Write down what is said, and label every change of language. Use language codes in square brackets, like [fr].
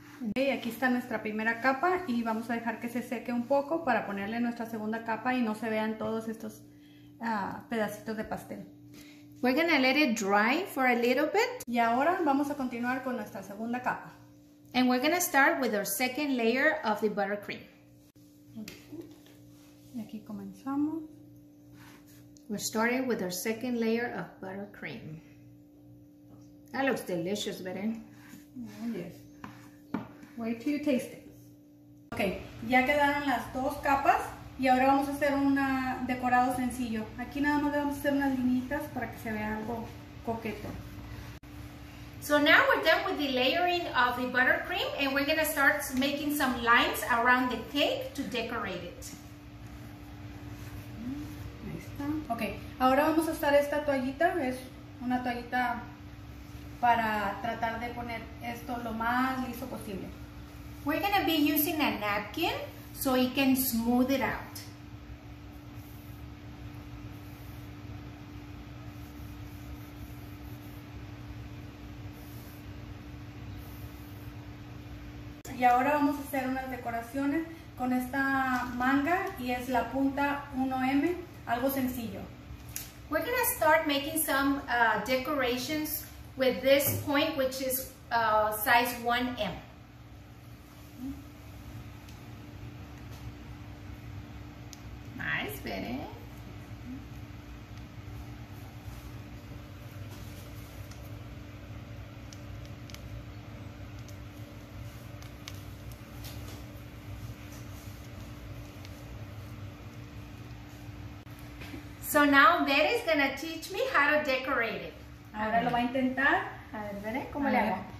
[es] Okay, aquí está nuestra primera capa y vamos a dejar que se seque un poco para ponerle nuestra segunda capa y no se vean todos estos pedacitos de pastel. [en] We're gonna let it dry for a little bit. [es] Y ahora vamos a continuar con nuestra segunda capa. [en] And we're gonna start with our second layer of the buttercream. [es] Okay. Y aquí comenzamos. [en] We're starting with our second layer of buttercream. That looks delicious, Beren. Yes. Wait till you taste it. [es] Ok, ya quedaron las dos capas y ahora vamos a hacer un decorado sencillo. Aquí nada más le vamos a hacer unas linitas para que se vea algo coqueto. [en] So now we're done with the layering of the buttercream and we're going to start making some lines around the cake to decorate it. [es] Ahí está. Ok, ahora vamos a usar esta toallita. Es una toallita para tratar de poner esto lo más liso posible. [en] We're going to be using a napkin so it can smooth it out. [es] Y ahora vamos a hacer unas decoraciones con esta manga y es la punta 1M, algo sencillo. [en] We're going to start making some decorations with this point, which is size 1M. Nice, Betty. So now Betty's gonna teach me how to decorate it. [es] Ahora lo va a intentar. A ver, Betty, ¿cómo le hago?